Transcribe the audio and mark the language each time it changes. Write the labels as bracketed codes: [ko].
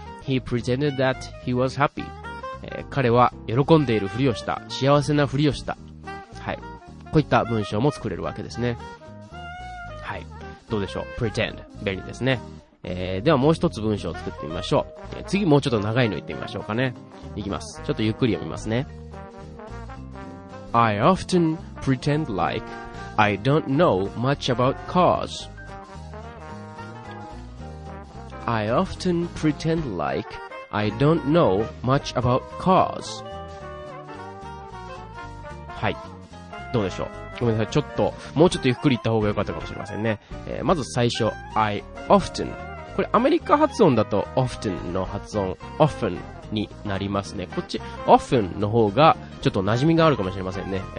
[en] He pretended that he was happy、 [ja] 彼は喜んでいるふりをした、幸せなふりをした。はい、こういった文章も作れるわけですね。はい、どうでしょう。pretend 便利ですね。ではもう一つ文章を作ってみましょう。次もうちょっと長いの言ってみましょうかね。いきます。ちょっとゆっくり読みますね。 [en] I often pretend like I don't know much about cars. I often pretend like I don't know much about cars. [ja] はい。どうでしょう。ごめんなさい。ちょっと、もうちょっとゆっくり言った方がよかったかもしれませんね。まず最初、 [en] I often。 [ja] これアメリカ発音だと often の発音、often。になりますね。こっち often の方がちょっと馴染みがあるかもしれませんね。